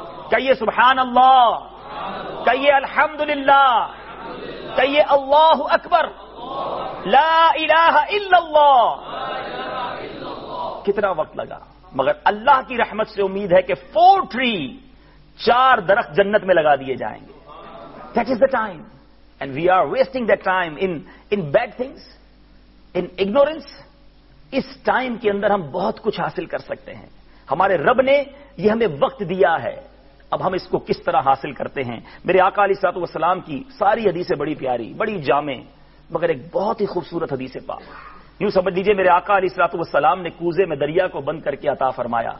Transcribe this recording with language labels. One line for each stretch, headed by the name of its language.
Urdu: کہیے سبحان اللہ, کہیے الحمدللہ, کہیے اللہ اکبر, لا الہ الا اللہ. کتنا وقت لگا, مگر اللہ کی رحمت سے امید ہے کہ
English: 4 trees, 4 trees
Urdu: جنت میں لگا دیے جائیں گے.
English: That is the time. And we are wasting that time in bad things, in ignorance.
Urdu: اس time کے اندر ہم بہت کچھ حاصل کر سکتے ہیں. ہمارے رب نے یہ ہمیں وقت دیا ہے, اب ہم اس کو کس طرح حاصل کرتے ہیں؟ میرے آقا علیہ الصلوۃ والسلام کی ساری حدیثیں بڑی پیاری, بڑی جامع, مگر ایک بہت ہی خوبصورت حدیث پاک. یوں سمجھ لیجئے میرے آقا علیہ الصلوۃ والسلام نے کوزے میں دریا کو بند کر کے عطا فرمایا.